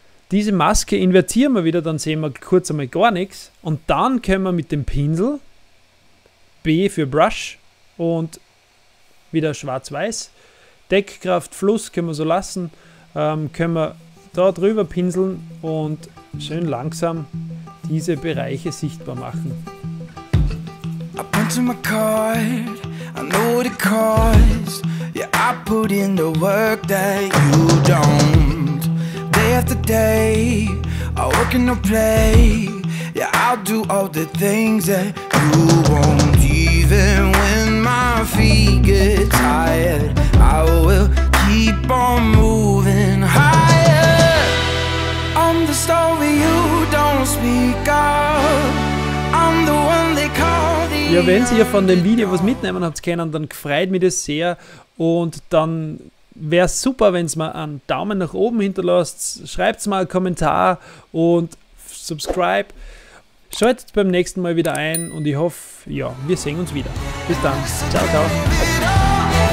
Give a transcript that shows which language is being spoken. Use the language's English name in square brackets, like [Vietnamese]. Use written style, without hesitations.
[German] Diese Maske invertieren wir wieder, dann sehen wir kurz einmal gar nichts und dann können wir mit dem Pinsel B für Brush und wieder schwarz-weiß, Deckkraft, Fluss können wir so lassen, können wir da drüber pinseln und schön langsam diese Bereiche sichtbar machen. [English] I put to my card, I know the cause. Yeah, I put in the work that you don't. Day after day, I work in the play. Yeah, I'll do all the things that you won't. Even when my feet get tired, I will keep on moving higher. I'm the story you don't speak of. I'm the one they call the. [German] Ja, wenn ihr von dem Video was mitnehmen habt können, dann freut mich das sehr. Und dann wäre es super, wenn es mal einen Daumen nach oben hinterlasst. Schreibt es mal einen Kommentar und subscribe. Schaltet beim nächsten Mal wieder ein und ich hoffe, ja, wir sehen uns wieder. Bis dann. Ciao, ciao.